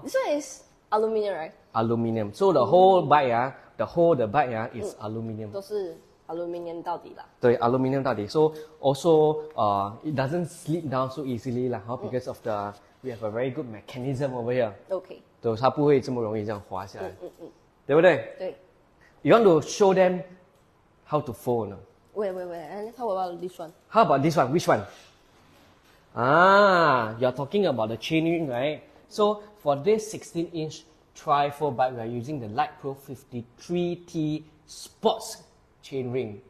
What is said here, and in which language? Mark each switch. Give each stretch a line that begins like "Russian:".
English: This one is aluminium, right? Aluminium. So the whole bike ah, the whole the bike ah is aluminium.
Chinese: 都是 aluminium 到底啦. 对, aluminium 到底.
English: So also it doesn't slip down so easily lah. Huh? Because of the we have a very good mechanism over here. Okay.
Chinese: 对，它不会这么容易这样滑下来. 对不对? 对.
English: You want to show them how to fold? No? Wait. How about this one? How about this one? Which one? Ah, you're talking about the chainring, right? So for this 16-inch trifold bike, we are using the litepro 53T sports chainring.